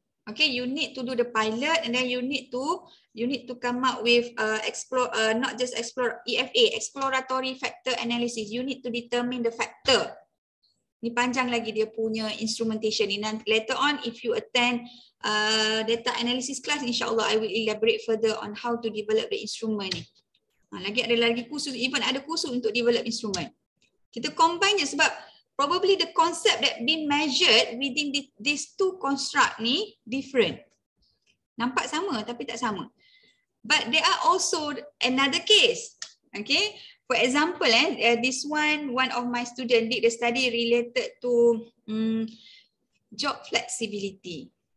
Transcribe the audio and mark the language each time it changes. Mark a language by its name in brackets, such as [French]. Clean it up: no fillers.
[English] Okay, you need to do the pilot and then you need to come up with exploratory factor analysis. You need to determine the factor. [Malay] Ni panjang lagi dia punya instrumentation ni. [English] Nanti later on, if you attend data analysis class, insyaAllah I will elaborate further on how to develop the instrument ni. [Malay] Lagi ada lagi khusus, even ada khusus untuk develop instrument. Kita combine je sebab [English] probably the concept that been measured within these two construct ni different. [Malay] Nampak sama tapi tak sama. [English] But there are also another case. Okay. For example, this one of my student did the study related to job flexibility.